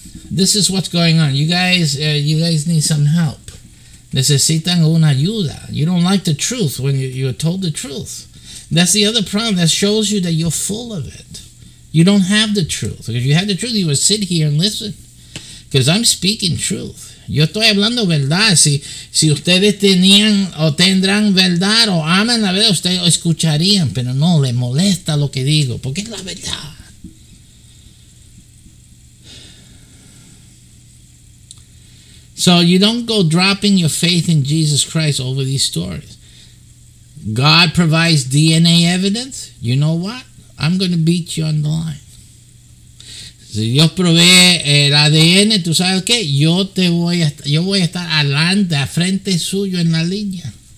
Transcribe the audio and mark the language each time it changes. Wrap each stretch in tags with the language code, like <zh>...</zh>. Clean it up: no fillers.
<en>This is what's going on. You guys need some help.</en> <es>Necesitan una ayuda.</es> <en>You don't like the truth when you're told the truth. That's the other problem. That shows you that you're full of it. You don't have the truth. If you had the truth, you would sit here and listen. Because I'm speaking truth.</en> <es>Yo estoy hablando verdad. Si ustedes tenían o tendrán verdad o aman la verdad, ustedes escucharían. Pero no, les molesta lo que digo. Porque es la verdad.</es> <en>So you don't go dropping your faith in Jesus Christ over these stories. God provides DNA evidence, you know what? I'm going to beat you on the line.</en> <es>Si Dios provee el ADN, tú sabes qué, yo voy a estar adelante, a frente suyo en la línea.</es>